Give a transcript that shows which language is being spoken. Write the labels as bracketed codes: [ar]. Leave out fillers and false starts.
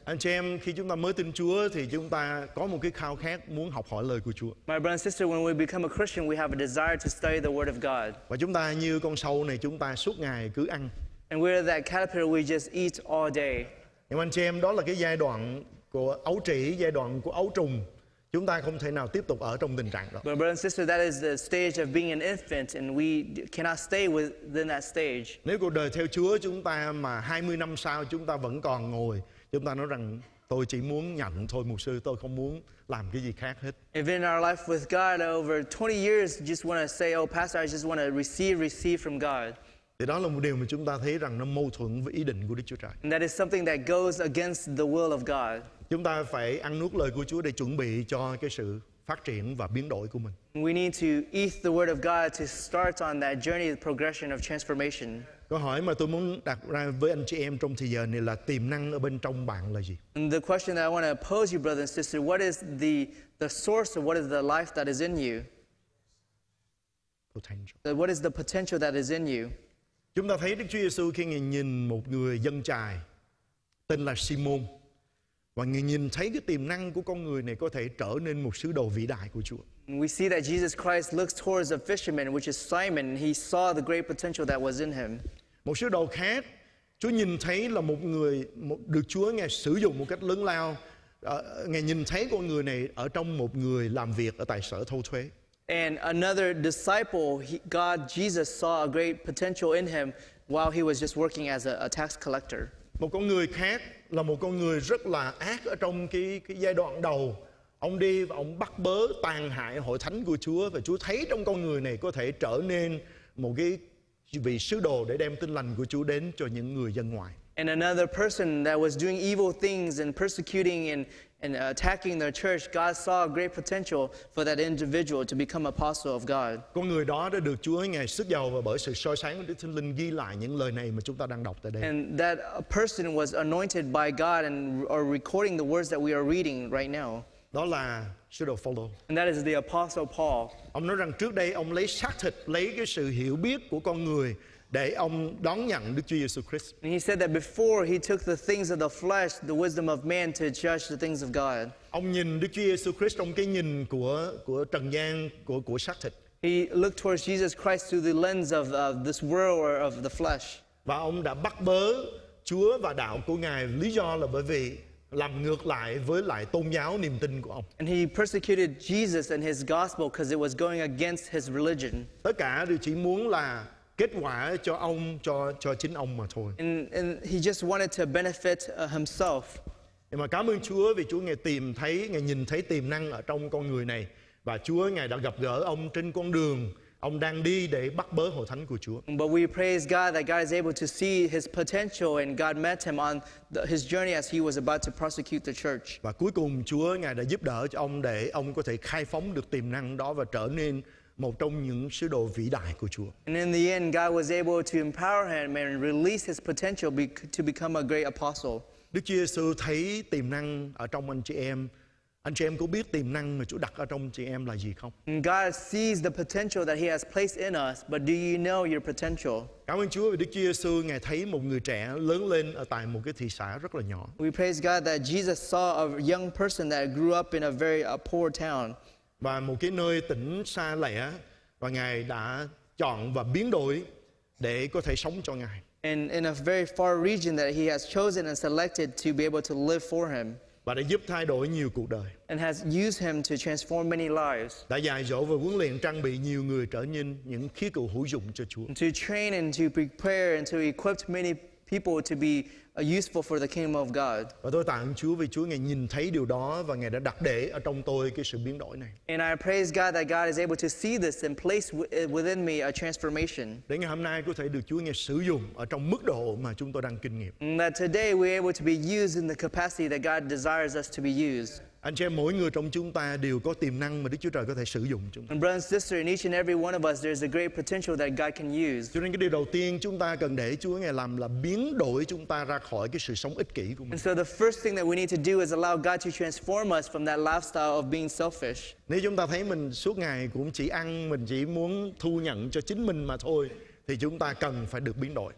[vi] Anh chị em, khi chúng ta mới tin Chúa thì chúng ta có một cái khao khát muốn học hỏi lời của Chúa. [en] My brother and sister, when we become a Christian, we have a desire to study the Word of God. [vi] Và chúng ta như con sâu này, chúng ta suốt ngày cứ ăn. [en] And we're that caterpillar, we just eat all day. [vi] Nhưng anh chị em, đó là cái giai đoạn của ấu trĩ, giai đoạn của ấu trùng. Chúng ta không thể nào tiếp tục ở trong tình trạng đó. [en] But brother and sister, that is the stage of being an infant, and we cannot stay within that stage. [vi] Nếu cuộc đời theo Chúa chúng ta mà 20 năm sau chúng ta vẫn còn ngồi, chúng ta nói rằng tôi chỉ muốn nhận thôi mục sư, tôi không muốn làm cái gì khác hết. [en] If in our life with God over 20 years, just want to say, oh pastor, I just want to receive from God. [vi] Thì đó là một điều mà chúng ta thấy rằng nó mâu thuẫn với ý định của Đức Chúa Trời. [en] And that is something that goes against the will of God. [vi] Chúng ta phải ăn nuốt lời của Chúa để chuẩn bị cho cái sự phát triển và biến đổi của mình. [en] We need to eat the word of God to start on that journey, the progression of transformation. [vi] Câu hỏi mà tôi muốn đặt ra với anh chị em trong thời giờ này là tiềm năng ở bên trong bạn là gì? [en] And the question that I want to pose you, brother and sister, what is the source of what is the life that is in you? Potential. What is the potential that is in you? [vi] Chúng ta thấy Đức Chúa Giêsu khi ngài nhìn một người dân chài tên là Simon. Và người nhìn thấy cái tiềm năng của con người này có thể trở nên một sứ đồ vĩ đại của Chúa. [en] We see that Jesus Christ looks towards a fisherman, which is Simon. He saw the great potential that was in him. [vi] Một sứ đồ khác, Chúa nhìn thấy là một người được Chúa ngài sử dụng một cách lớn lao. Ngài nhìn thấy con người này ở trong một người làm việc ở tại sở thâu thuế. [en] And another disciple, Jesus saw a great potential in him while he was just working as a tax collector. [vi] Một con người khác là một con người rất là ác ở trong cái giai đoạn đầu. Ông đi và ông bắt bớ tàn hại hội thánh của Chúa, và Chúa thấy trong con người này có thể trở nên một cái vị sứ đồ để đem tin lành của Chúa đến cho những người dân ngoài. [en] And another person that was doing evil things and persecuting and attacking the church, God saw a great potential for that individual to become apostle of God. [vi] Con người đó đã được Chúa ngài sức dầu, và bởi sự soi sáng của Đức Thánh Linh ghi lại những lời này mà chúng ta đang đọc tại đây. [en] And that person was anointed by God and are recording the words that we are reading right now. [vi] Đó là sứ đồ Phaolô. [en] And that is the apostle Paul. [vi] Ông nói rằng trước đây ông lấy xác thịt, lấy cái sự hiểu biết của con người để ông đón nhận Đức Chúa Giêsu Christ. [en] And he said that before he took the things of the flesh, the wisdom of man, to judge the things of God. [vi] Ông nhìn Đức Chúa Giêsu Christ trong cái nhìn của trần gian, của xác thịt. [en] He looked towards Jesus Christ through the lens of this world or of the flesh. [vi] Và ông đã bắt bớ Chúa và đạo của ngài, lý do là bởi vì làm ngược lại với lại tôn giáo niềm tin của ông. [en] And he persecuted Jesus and his gospel because it was going against his religion. [vi] Tất cả đều chỉ muốn là kết quả cho ông, cho chính ông mà thôi. [en] And he just wanted to benefit himself. [vi] Nhưng mà cảm ơn Chúa vì Chúa ngài tìm thấy, ngài nhìn thấy tiềm năng ở trong con người này, và Chúa ngài đã gặp gỡ ông trên con đường ông đang đi để bắt bớ hội thánh của Chúa. [en] But we praise God that God is able to see his potential and God met him on his journey as he was about to prosecute the church. [vi] Và cuối cùng Chúa ngài đã giúp đỡ cho ông để ông có thể khai phóng được tiềm năng đó và trở nên một trong những sứ đồ vĩ đại của Chúa. [en] And in the end, God was able to empower him and release his potential to become a great apostle. [vi] Đức Chúa Giêsu thấy tiềm năng ở trong anh chị em. Anh chị em có biết tiềm năng mà Chúa đặt ở trong chị em là gì không? [en] And God sees the potential that he has placed in us, but do you know your potential? [vi] Cảm ơn Chúa vì Đức Chúa Giêsu ngài thấy một người trẻ lớn lên ở tại một cái thị xã rất là nhỏ. [en] We praise God that Jesus saw a young person that grew up in a very poor town. [vi] Và một cái nơi tỉnh xa lẻ, và ngài đã chọn và biến đổi để có thể sống cho ngài. [en] And in a very far region that he has chosen and selected to be able to live for him. [vi] Và đã giúp thay đổi nhiều cuộc đời. [en] And has used him to transform many lives. [vi] Đã dạy dỗ và huấn luyện trang bị nhiều người trở nên những khí cụ hữu dụng cho Chúa. [en] To train and to prepare and to equip many people to be useful for the kingdom of God. [vi] Và tôi tạ ơn Chúa vì Chúa ngài nhìn thấy điều đó và ngài đã đặt để ở trong tôi cái sự biến đổi này. [en] And I praise God that God is able to see this and place within me a transformation. [vi] Để ngày hôm nay có thể được Chúa ngài sử dụng ở trong mức độ mà chúng tôi đang kinh nghiệm. [en] And that today we are able to be used in the capacity that God desires us to be used. [vi] Anh chị em, mỗi người trong chúng ta đều có tiềm năng mà Đức Chúa Trời có thể sử dụng chúng ta. [en] And brothers and sisters, in each and every one of us, there's a great potential that God can use. [vi] Cho nên cái điều đầu tiên chúng ta cần để Chúa ngài làm là biến đổi chúng ta ra khỏi cái sự sống ích kỷ của mình. [en] And so the first thing that we need to do is allow God to transform us from that lifestyle of being selfish. [vi] Nếu chúng ta thấy mình suốt ngày cũng chỉ ăn, mình chỉ muốn thu nhận cho chính mình mà thôi, thì chúng ta cần phải được biến đổi.